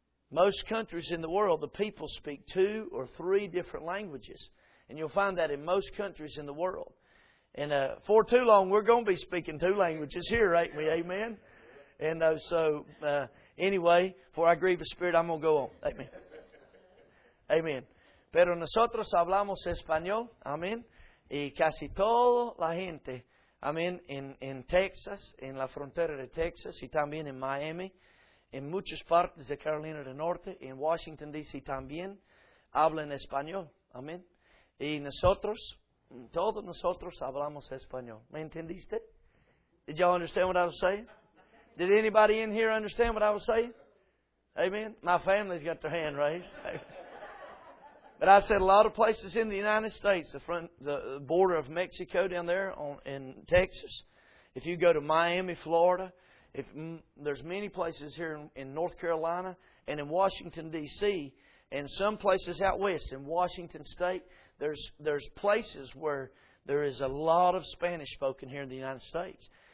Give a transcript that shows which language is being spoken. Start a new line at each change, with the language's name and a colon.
English: Most countries in the world, the people speak two or three different languages. And you'll find that in most countries in the world. And for too long, we're going to be speaking two languages here, ain't we? Amen? And anyway, for I grieve the Spirit, I'm going to go on. Amen. Amen.
Spanish: Pero nosotros hablamos español, amén, y casi toda la gente, amén, en Texas, en la frontera de Texas, y también en Miami, en muchas partes de Carolina del Norte, en Washington, D.C. también, hablan español, amén. Y nosotros, todos nosotros hablamos español. ¿Me entendiste?
English: Did y'all understand what I was saying? Did anybody in here understand what I was saying? Amen. My family's got their hand raised. But I said a lot of places in the United States, the border of Mexico down there in Texas, if you go to Miami, Florida, there's many places here in North Carolina and in Washington, D.C., and some places out west in Washington State, there's places where there is a lot of Spanish spoken here in the United States.